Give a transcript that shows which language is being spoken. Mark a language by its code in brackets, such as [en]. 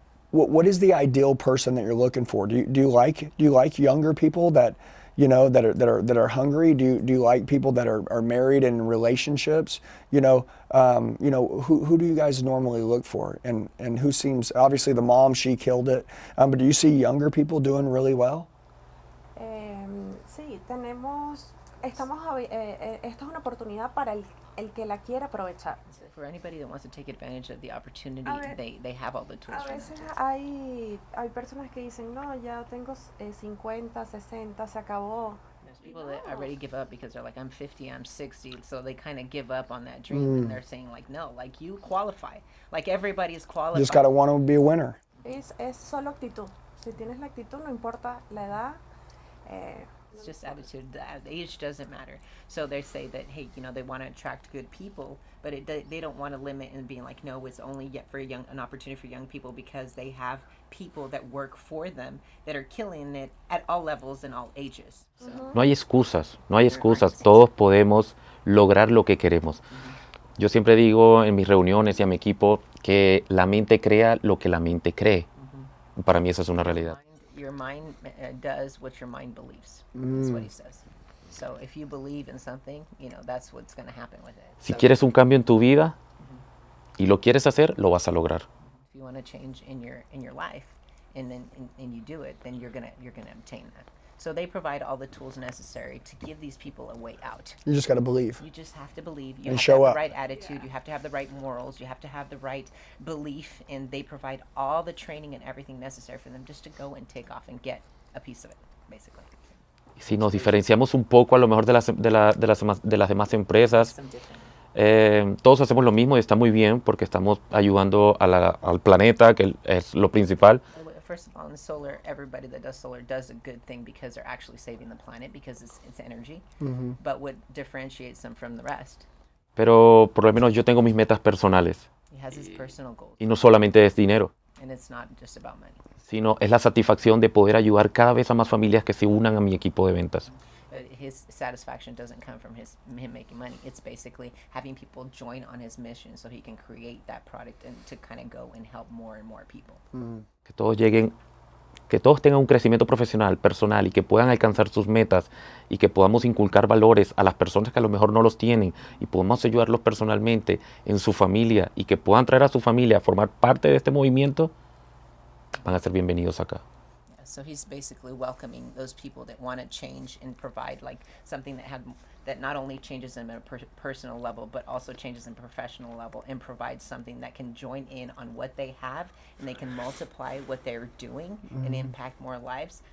[en] What is the ideal person that you're looking for? Do you like younger people that, you know, that are hungry? Do you like people that are married and in relationships? You know, who do you guys normally look for? And who seems, obviously the mom, she killed it. But do you see younger people doing really well? [es] Sí, tenemos. Esta es una oportunidad para el que la quiera aprovechar. [en] For anybody that wants to take advantage of the opportunity, they have all the tools. [es] A veces hay personas que dicen, no, ya tengo 50, 60, se acabó. [en] There's people that already give up because they're like, I'm 50, I'm 60, so they kind of give up on that dream. Mm. And they're saying like, no, like you qualify. Like everybody is qualified. You just gotta want to be a winner. [es] Es solo actitud. Si tienes la actitud, no importa la edad. [en] It's just attitude. The age doesn't matter. So they say that, hey, you know, they want to attract good people, but they don't want to limit and being like, no, it's only yet for an opportunity for young people, because they have people that work for them that are killing it at all levels and all ages. So. [es] No hay excusas. No hay excusas. Todos podemos lograr lo que queremos. Yo siempre digo en mis reuniones y a mi equipo que la mente crea lo que la mente cree. Para mí esa es una realidad. [en] Your mind does what your mind believes. Mm. That's what he says. So if you believe in something, you know, that's what's going to happen with it. [es] Si quieres un cambio en tu vida y lo quieres hacer, lo vas a lograr. [en] If you want to change in your life and then and you do it, then you're going to obtain that. So they provide all the tools necessary to give these people a way out. You just got to believe. You just have to believe. You and have show to have up. The right attitude. Yeah. You have to have the right morals. You have to have the right belief. And they provide all the training and everything necessary for them just to go and take off and get a piece of it, basically. [es] Si nos diferenciamos un poco a lo mejor de las demás empresas, todos hacemos lo mismo y está muy bien porque estamos ayudando al planeta, que es lo principal. [en] First of all, in solar, everybody that does solar does a good thing because they're actually saving the planet because it's energy. Mm-hmm. But what differentiates them from the rest? [es] Pero por lo menos yo tengo mis metas personales. [en] He has his personal goals. [es] Y no solamente es dinero. [en] And it's not just about money. [es] Sino es la satisfacción de poder ayudar cada vez a más familias que se unan a mi equipo de ventas. [en] But his satisfaction doesn't come from him making money. It's basically having people join on his mission so he can create that product and to kind of go and help more and more people. [es] Que todos lleguen, que todos tengan un crecimiento profesional, personal, y que puedan alcanzar sus metas, y que podamos inculcar valores a las personas que a lo mejor no los tienen, y podamos ayudarlos personalmente en su familia, y que puedan traer a su familia a formar parte de este movimiento, van a ser bienvenidos acá. [en] So he's basically welcoming those people that want to change and provide like something that not only changes them at a personal level, but also changes them professional level and provides something that can join in on what they have and they can multiply what they're doing and impact more lives.